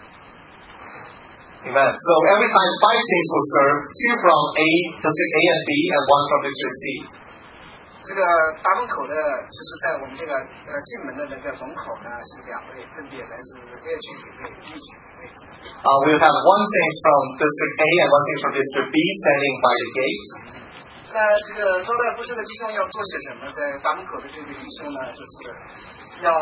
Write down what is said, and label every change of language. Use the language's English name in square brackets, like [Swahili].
[English] Amen. So every time five teams will serve, two from A, district A and B, and one from district C. [Chinese] 这个大门口的，就是在我们这个进门的那个门口呢，是两位，分别来自这个区域，A区。 [English] We have one saint from District A and one saint from District B standing by the gate. [Chinese] 那这个招待服侍的弟兄要做些什么？在大门口的这个弟兄呢，就是。